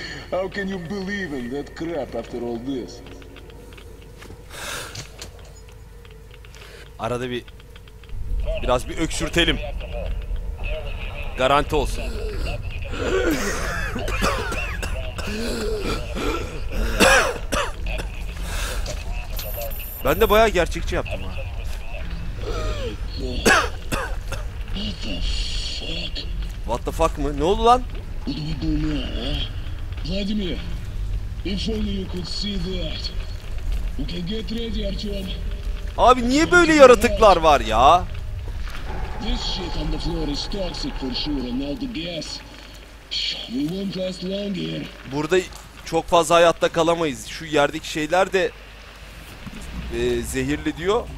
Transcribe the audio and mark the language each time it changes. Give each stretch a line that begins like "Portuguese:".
English: How can you believe in that crap after all this?
Turkish: Arada bir biraz bir öksürtelim. Garanti olsun. Ben de bayağı gerçekçi yaptım ha.
English: What the fuck
Turkish: mı? Ne oldu lan?
English: Vladimir, if only you could see that. Okay, get ready, Artyom.
Turkish: Abi niye böyle yaratıklar var ya?
English: This shit on the floor is toxic for sure and all the gas. We won't last long here.
Turkish: Burada çok fazla hayatta kalamayız. Şu yerdeki şeyler de zehirli diyor.